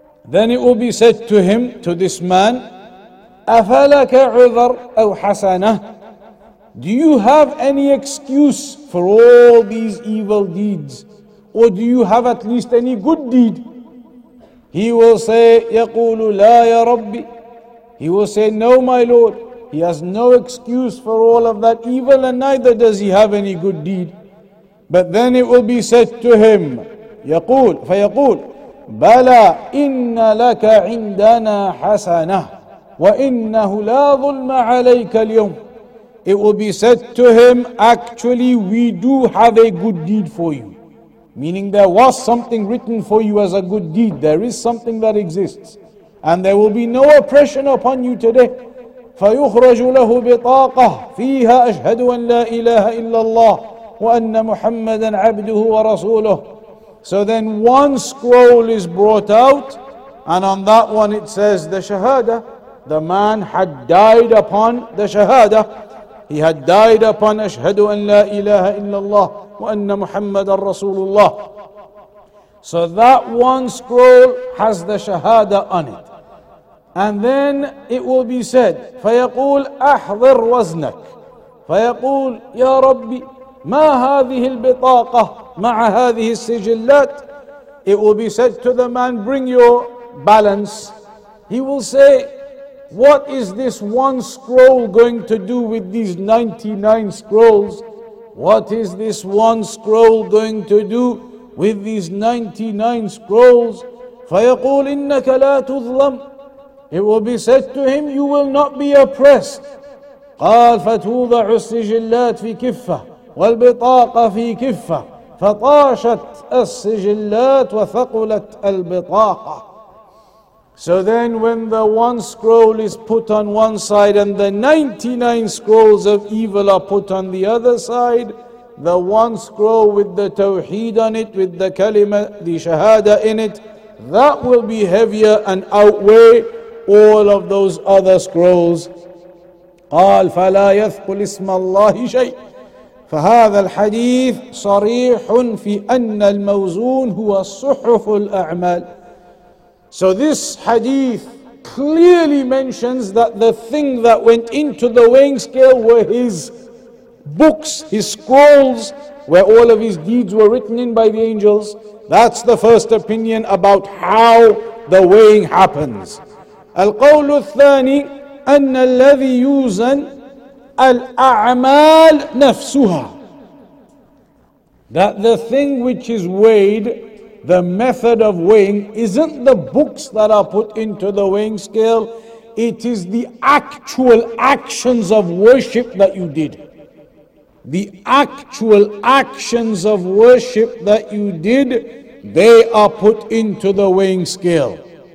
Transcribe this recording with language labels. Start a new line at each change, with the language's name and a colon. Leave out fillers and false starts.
English: Then it will be said to him, to this man,
Arabic: أَفَلَكَ عُذَرْ أَوْ حَسَنَةً.
English: Do you have any excuse for all these evil deeds? Or do you have at least any good deed? He will say,
Arabic: يَقُولُ لَا يَا رَبِّ.
English: He will say, no, my Lord. He has no excuse for all of that evil, and neither does he have any good deed. But then it will be said to him,
Arabic: يقول فيقول بلى إن لك عندنا حسنة وإنه لا ظلم عليك اليوم.
English: It will be said to him, actually we do have a good deed for you. Meaning there was something written for you as a good deed. There is something that exists. And there will be no oppression upon you today.
Arabic: فيخرج له بطاقة فيها أشهد أن لا إله إلا الله وأن محمدا عبده ورسوله.
English: So then one scroll is brought out, and on that one it says the Shahada. The man had died upon the Shahada. He had died upon Ashhadu an la ilaha illallah wa anna Muhammadan Rasulullah. So that one scroll has the Shahada on it. And then it will be said,
Arabic: فيقول أحضر وزنك. فيقول يا ربي ما هذه البطاقة مع هذه السجلات.
English: It will be said to the man, bring your balance. He will say, what is this one scroll going to do with these 99 scrolls? What is this one scroll going to do with these 99 scrolls?
Arabic: فيقول إنك لا تظلم.
English: It will be said to him, you will not be oppressed.
Arabic: قال فتوضع السجلات في كفة والبطاقة في كفة فطاشت السجلات وثقلت البطاقة.
English: So then when the one scroll is put on one side and the 99 scrolls of evil are put on the other side, the one scroll with the tawheed on it, with the kalima, the shahada in it, that will be heavier and outweigh all of those other scrolls.
Arabic: قال فلا يثقل اسم الله شيء فهذا الحديث صريح في أن الموزون هو الصحف الأعمال.
English: So this hadith clearly mentions that the thing that went into the weighing scale were his books, his scrolls, where all of his deeds were written in by the angels. That's the first opinion about how the weighing happens.
Arabic: القول الثاني أن الذي يوزن الأعمال نفسها.
English: That the thing which is weighed, the method of weighing, isn't the books that are put into the weighing scale. It is the actual actions of worship that you did. The actual actions of worship that you did, they are put into the weighing scale.